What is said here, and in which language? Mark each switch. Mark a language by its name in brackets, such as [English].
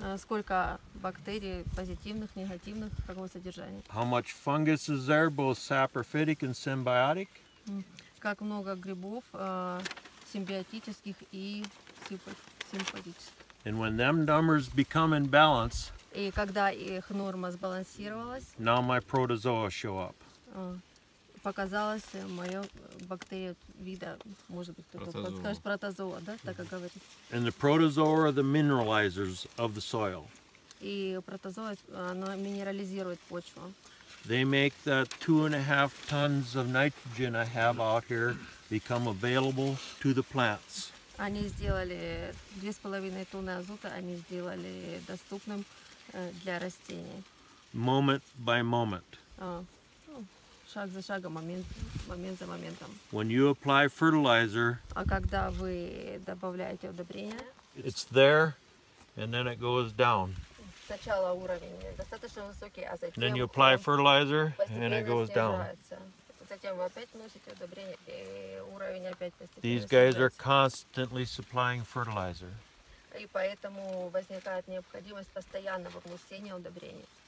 [Russian] Сколько бактерий позитивных, негативных, какого содержания? [English] How much fungus is there, both saprophytic and symbiotic? [Russian] Как много грибов симбиотических и симпатических? [English] And when them numbers become in balance, [Russian] и когда их норма сбалансировалась, [English] now my protozoa show up. [Russian] Показалось моё бактерия вида, может быть, кто-то подскажет, протозоа, да, так и говорит. [English] And the protozoa are the mineralizers of the soil. [Russian] И протозоа, она минерализирует почву. [English] They make the 2.5 tons of nitrogen I have out here become available to the plants. [Russian] Они сделали 2.5 тонны азота, они сделали доступным для растений. [English] Moment by moment. [Russian] Шаг за шагом, момент за моментом. [English] When you apply fertilizer, [Russian] а когда вы добавляете удобрение, [English] it's there, and then it goes down. [Russian] Сначала уровень достаточно высокий, а затем [English] then you apply fertilizer, and it goes down. [Russian] Затем вы опять вносите удобрение, и уровень опять постепенно. [English] These guys are constantly supplying fertilizer. [Russian] И поэтому возникает необходимость постоянного внесения удобрения.